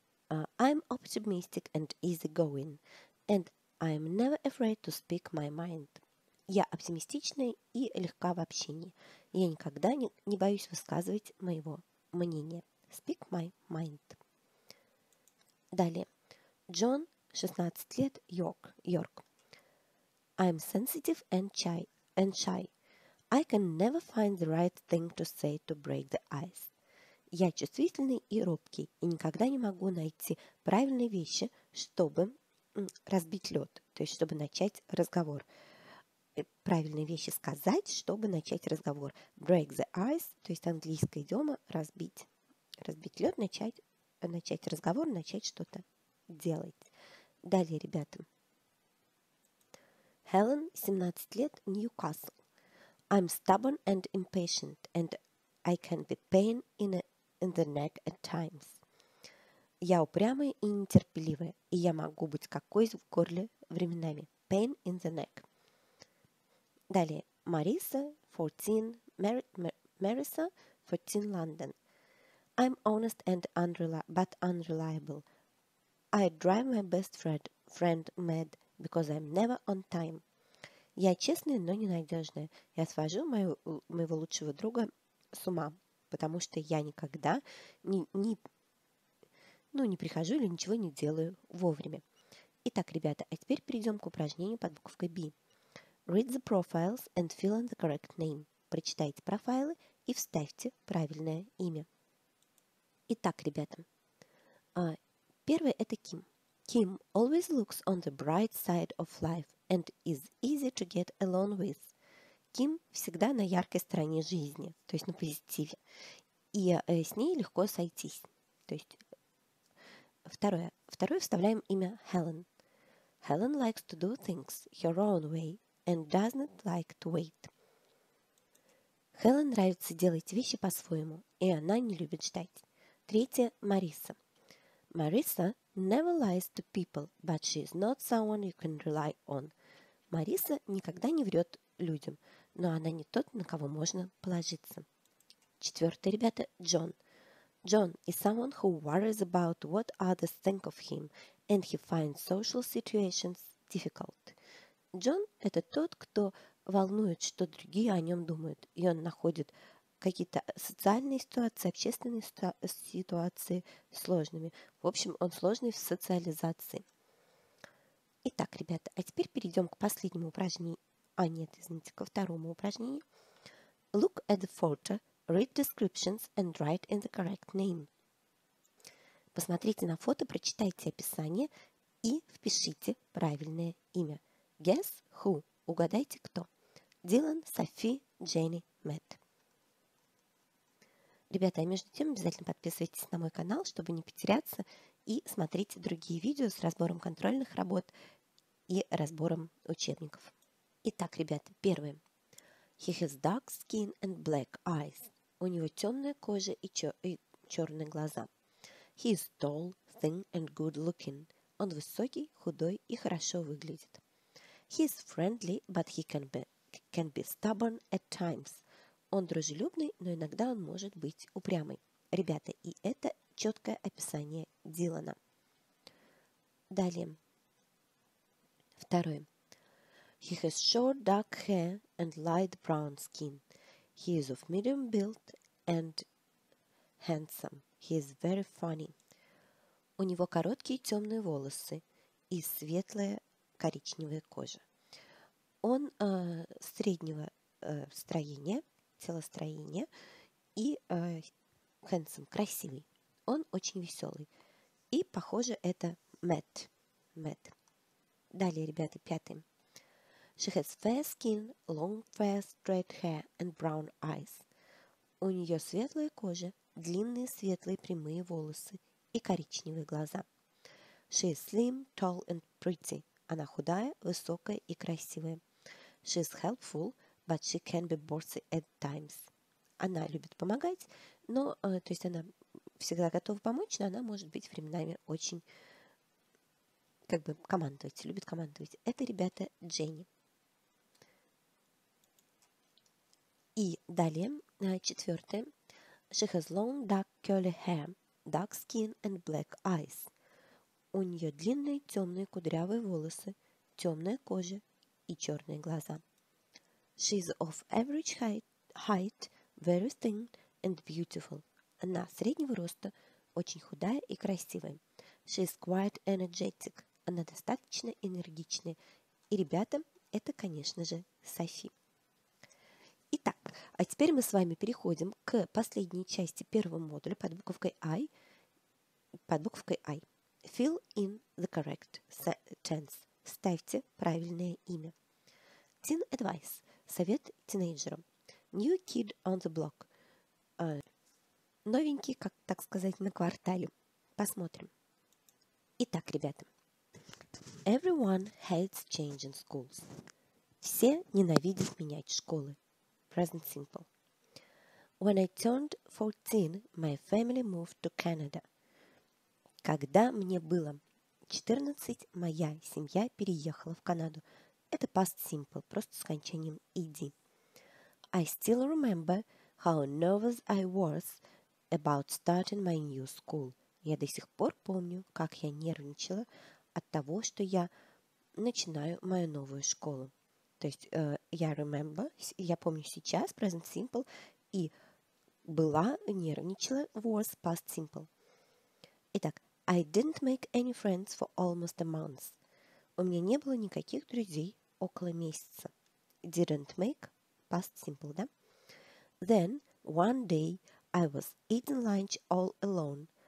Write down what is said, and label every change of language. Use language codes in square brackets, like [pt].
[en] I'm optimistic and easygoing, and I'm never afraid to speak my mind. [ru] Я оптимистичная и легка в общении. Я никогда не боюсь высказывать моего мнения. [en] Speak my mind. [ru] Далее. Джон, 16 лет, Йорк. [en] I'm sensitive and shy. I can never find the right thing to say to break the ice. [ru] Я чувствительный и робкий, и никогда не могу найти правильные вещи, чтобы разбить лед, то есть чтобы начать разговор. Правильные вещи сказать, чтобы начать разговор. [en] Break the ice, [ru] то есть английская идиома, разбить лед, начать разговор, начать что-то делать. Далее, ребята. Helen, 17 лет, Newcastle. [en] I'm stubborn and impatient, and I can be pain in the neck at times. [ru] Я упрямая и нетерпеливая, и я могу быть как кость в горле временами. [en] Pain in the neck. [ru] Далее, Marissa, 14, London. [en] I'm honest and unreliable. I drive my best friend mad, because I'm never on time. [ru] Я честная, но ненадежная. Я свожу моего лучшего друга с ума, потому что я никогда не прихожу или ничего не делаю вовремя. Итак, ребята, а теперь перейдем к упражнению под буковкой B. [en] Read the profiles and fill in the correct name. [ru] Прочитайте профайлы и вставьте правильное имя. Итак, ребята, первое это Ким. [en] Ким always looks on the bright side of life and is easy to get along with. [ru] Ким всегда на яркой стороне жизни, то есть на позитиве. И с ней легко сойтись. То есть второе вставляем имя Helen. [en] Helen likes to do things her own way and doesn't like to wait. [ru] Helen нравится делать вещи по-своему, и она не любит ждать. Третье – Marissa. [en] Marissa never lies to people, but she is not someone you can rely on. [ru] Marissa никогда не врет людям, но она не тот, на кого можно положиться. Четвертое, ребята, John. [en] John is someone who worries about what others think of him, and he finds social situations difficult. [ru] John – это тот, кто волнует, что другие о нем думают, и он находит какие-то социальные ситуации, общественные ситуации сложными. В общем, он сложный в социализации. Итак, ребята, а теперь перейдем к последнему упражнению. А нет, извините, ко второму упражнению. [en] Look at the photo, read descriptions and write in the correct name. [ru] Посмотрите на фото, прочитайте описание и впишите правильное имя. [en] Guess who? [ru] Угадайте кто? Дилан, Софи, Дженни, Мэтт. Ребята, а между тем обязательно подписывайтесь на мой канал, чтобы не потеряться, и смотрите другие видео с разбором контрольных работ и разбором учебников. Итак, ребята, первое. [en] He has dark skin and black eyes. [ru] У него темная кожа и черные глаза. [en] He is tall, thin and good looking. [ru] Он высокий, худой и хорошо выглядит. [en] He is friendly, but he can be stubborn at times. [ru] Он дружелюбный, но иногда он может быть упрямый. Ребята, и это четкое описание Дилана. Далее. Второе. [en] He has short dark hair and light brown skin. He is of medium build and handsome. He is very funny. [ru] У него короткие темные волосы и светлая коричневая кожа. Он среднего строения. Телостроение и handsome, красивый. Он очень веселый. И, похоже, это Matt. Далее, ребята, пятый. [en] She has fair skin, long fair straight hair and brown eyes. [ru] У нее светлая кожа, длинные светлые прямые волосы и коричневые глаза. [en] She is slim, tall and pretty. [ru] Она худая, высокая и красивая. [en] She is helpful, but she can be bossy at times. [ru] Она любит помогать, но, то есть она всегда готова помочь, но она может быть временами очень, как бы, командовать, любит командовать. Это, ребята, Дженни. И далее, четвертое. [en] She has long dark curly hair, dark skin and black eyes. [ru] У нее длинные темные кудрявые волосы, темная кожа и черные глаза. [en] She is of average height, very thin and beautiful. [ru] Она среднего роста, очень худая и красивая. [en] She is quite energetic. [ru] Она достаточно энергичная. И, ребята, Это, конечно же, Софи. Итак, а теперь мы с вами переходим к последней части первого модуля под буковкой I. Под буквой I. [en] Fill in the correct tense. [ru] Ставьте правильное имя. [en] Teen advice. [ru] Совет тинейджерам. [en] New kid on the block. [ru] Новенький, как так сказать, на квартале. Посмотрим. Итак, ребята. [en] Everyone hates changing schools. [ru] Все ненавидят менять школы. [en] Present simple. When I turned 14, my family moved to Canada. [ru] Когда мне было 14, моя семья переехала в Канаду. Это past simple, просто с окончанием ed. [en] I still remember how nervous I was about starting my new school. [ru] Я до сих пор помню, как я нервничала от того, что я начинаю мою новую школу. То есть я remember, я помню сейчас, present simple, и была, нервничала, was, past simple. [en] Итак, I didn't make any friends for almost a month. [ru] У меня не было никаких друзей около месяца. [en] Didn't make, [ru] past simple, да? [en] Then, one day, I was eating lunch all alone.